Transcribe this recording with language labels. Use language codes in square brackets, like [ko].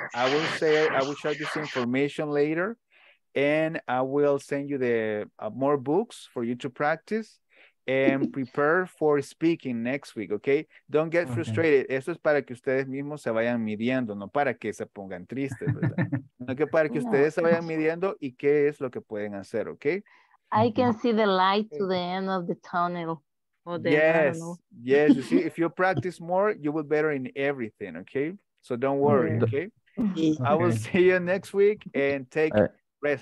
[en] I will say I will share this information later, and I will send you the more books for you to practice and prepare for speaking next week, okay? Don't get frustrated. [es] Eso es para que ustedes mismos se vayan midiendo, no para que se pongan tristes, ¿verdad? No, que para que ustedes se vayan midiendo y qué es lo que pueden hacer, okay? [en] I can see the light to the end of the tunnel. Yes, yes. You see, if you practice more, you will better in everything, okay? So don't worry, okay? Okay. I will see you next week and take rest.